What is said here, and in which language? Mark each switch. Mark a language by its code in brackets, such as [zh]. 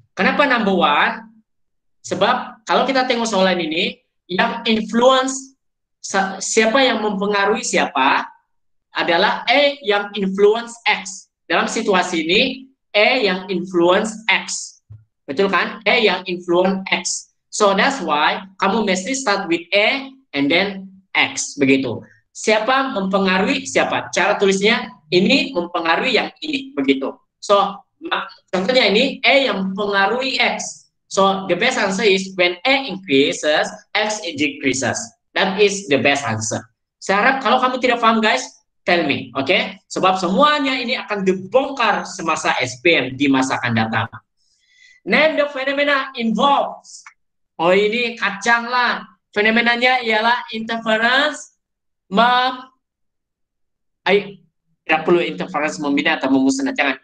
[ms] Kenapa [en] number one? [ms] Sebab kalau kita tengok soalan ini, yang influence siapa yang mempengaruhi siapa adalah A yang influence X. Dalam situasi ini, A yang influence X. Betul kan? A yang influence X. [en] So that's why [ms] kamu mesti [en] start with A and then X. [ms] Begitu. Siapa mempengaruhi siapa? Cara tulisnya, ini mempengaruhi yang ini. Begitu. So, contohnya ini, A yang mempengaruhi X. [en] So, the best answer is, when A increases, X decreases. That is the best answer. [ms] Saya harap kalau kamu tidak paham, [en] guys, tell me, oke? Okay? [ms] Sebab semuanya ini akan dibongkar semasa SPM di masa akan datang. [en] Name the phenomena involves. [ms] Oh, ini kacang lah. Fenomenanya ialah interference. Tidak perlu interference membina atau memusnah, jangan.